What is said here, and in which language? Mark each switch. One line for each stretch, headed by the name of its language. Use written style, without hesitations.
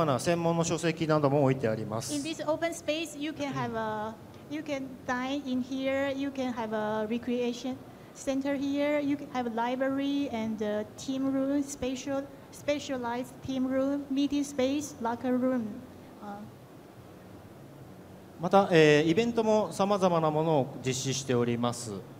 Japanese: でまたこの施設の中では食事も取れますし、様々な専門の書籍なども置いてあります。
English: In this open space, you can dine in here, you can have a recreation center here, you can have a library and a team room, specialized team room, meeting space, locker room.
Japanese: またイベントも様々なものを実施しております。